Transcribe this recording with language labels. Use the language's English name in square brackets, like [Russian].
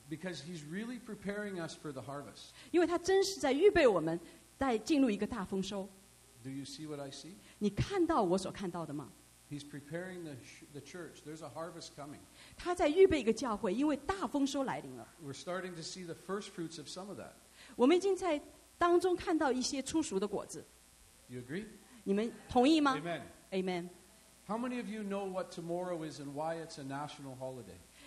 [English] Because he's really preparing us for the harvest. [Chinese] 因为他真是在预备我们在进入一个大丰收。 [English] Do you see what I see? [Chinese] 你看到我所看到的吗? [English] He's preparing the church. There's a harvest coming. [Chinese] 他在预备一个教会, 因为大丰收来临了。 [English] We're starting to see the first fruits of some of that. [Chinese] 我们已经在当中看到一些初熟的果子。 [English] You agree? [Chinese] 你们同意吗? [English] Amen. Amen. How many of you know what tomorrow is and why it's a national holiday?